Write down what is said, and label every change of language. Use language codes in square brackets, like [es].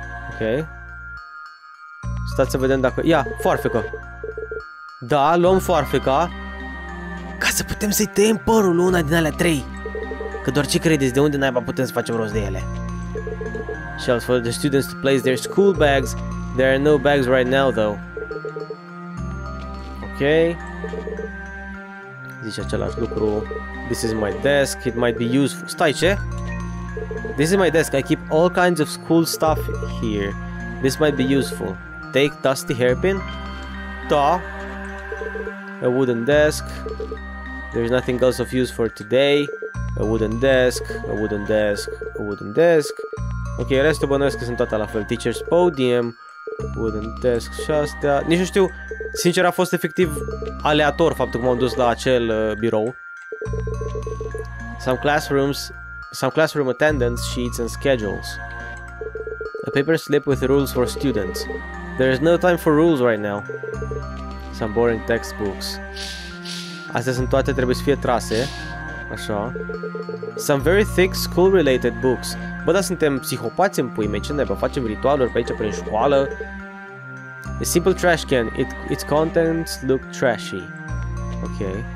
[ro] Ok. Stați să vedem dacă... Ia, foarfecă! Da, luăm foarfeca. Ca să putem să-i tăiem părul una din alea trei. Că doar ce credeți, de unde naiba putem să facem rost de ele? [en] Shelves for the students to place their school bags. There are no bags right now, though. [ro] Okay. Zice același lucru. [en] This is my desk. It might be useful. [ro] Stai ce? [en] This is my desk. I keep all kinds of school stuff here. This might be useful. Take dusty hairpin. Da. A wooden desk. There's nothing else of use for today. A wooden desk. A wooden desk. A wooden desk. [ro] Ok, restul bănuiesc că sunt toate la fel. [en] Teacher's podium, wooden desk [ro] și astea. Nici nu știu, sincer a fost efectiv aleator faptul că m-am dus la acel birou. [en] Some classroom attendance sheets and schedules. A paper slip with rules for students. There is no time for rules right now. Some boring textbooks. [ro] Astea sunt toate, trebuie să fie trase. Așa. [en] Some very thick school related books. [ro] Bă, dar suntem psihopați în pui mei, ce nebă, facem ritualuri pe aici, prin școală. [en] A simple trash can, its contents look trashy. Ok.